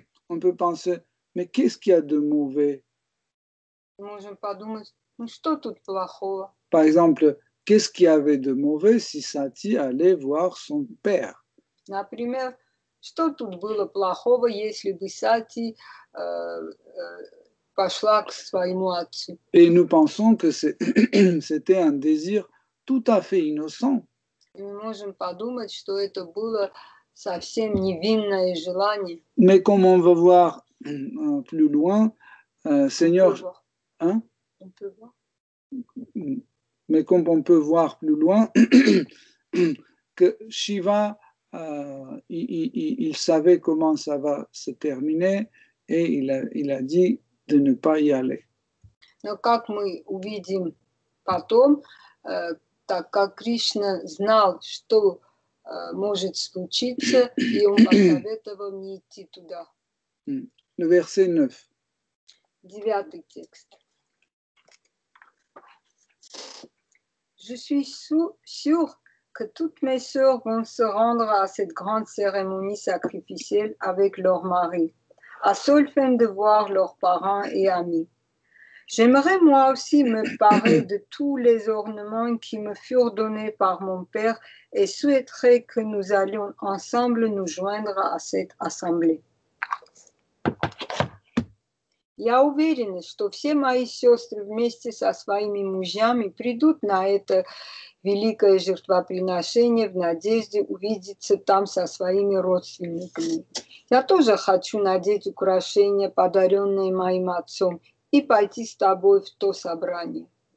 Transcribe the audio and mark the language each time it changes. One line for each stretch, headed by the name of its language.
French: On peut penser, mais qu'est-ce qu'il y a de mauvais?
Russian: Мы можем подумать, ну что тут плохого?
French: Par exemple, qu'est-ce qu'il y avait de mauvais si Sati allait voir son père?
Russian: Например, что тут было плохого, если бы Сати пошла к своему отцу?
French: Et nous pensons que c'était un désir tout à fait innocent.
Russian: Мы можем подумать, что это было совсем невинное желание.
French: Mais comme on va voir plus loin, Seigneur, hein? Mais comme on peut voir plus loin, que Shiva, il savait comment ça va se terminer et il a dit de ne pas y aller. Mais comme nous
Russian: увидим потом, так как Кришна знал, что может случиться, и он посоветовал не идти туда.
French: Verset 9.
Russian: Девятый текст.
French: Je suis sûre que toutes mes sœurs vont se rendre à cette grande cérémonie sacrificielle avec leur mari, à seule fin de voir leurs parents et amis. J'aimerais moi aussi me parer de tous les ornements qui me furent donnés par mon père et souhaiterais que nous allions ensemble nous joindre à cette assemblée.
Russian: Я уверена, что все мои сестры вместе со своими мужьями придут на это великое жертвоприношение в надежде увидеться там со своими родственниками. Я тоже хочу надеть украшения, подаренные моим отцом, и пойти с тобой в то собрание.